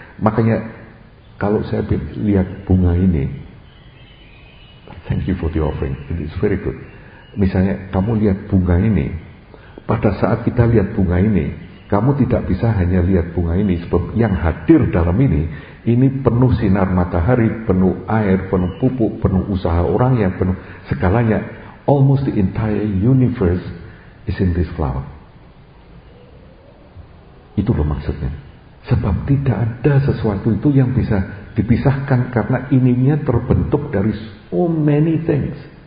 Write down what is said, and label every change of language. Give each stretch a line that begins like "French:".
Indonesian: Makanya kalau saya lihat bunga ini,
English: thank you for the offering, it is very good.
Indonesian: Misalnya kamu lihat bunga ini, pada saat kita lihat bunga ini, kamu tidak bisa hanya lihat bunga ini, sebab yang hadir dalam ini penuh sinar matahari, penuh air, penuh pupuk, penuh usaha orang yang penuh segalanya.
English: Almost the entire universe is in this flower.
Indonesian: Itu loh maksudnya. Sebab tidak ada sesuatu itu yang bisa dipisahkan, karena ininya terbentuk dari
English: so many things.